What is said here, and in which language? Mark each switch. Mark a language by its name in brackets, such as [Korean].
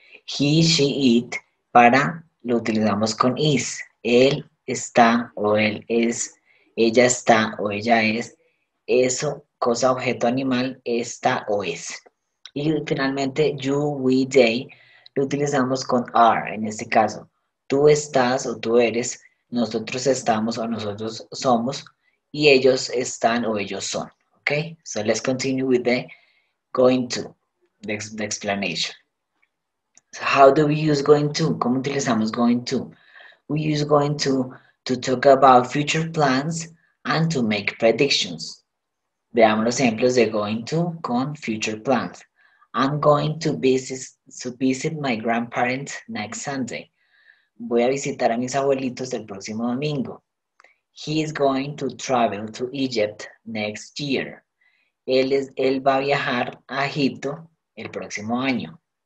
[Spanish] He, she, it, para, lo utilizamos con is, él está o él es, ella está o ella es, eso, cosa, objeto, animal, está o es. Y finalmente, you, we, they, lo utilizamos con are, en este caso. Tú estás o tú eres, nosotros estamos o nosotros somos, y ellos están o ellos son. [English] Okay, so let's continue with the going to, the explanation. So how do we use going to? [Spanish] ¿Cómo utilizamos [English] going to? We use going to talk about future plans and to make predictions. [Spanish] Veamos los ejemplos de going to con future plans. [English] I'm going to visit my grandparents next Sunday. [Spanish] Voy a visitar a mis abuelitos el próximo domingo. [English] He is going to travel to Egypt next year. [Spanish] Él va a viajar a Egipto el próximo año.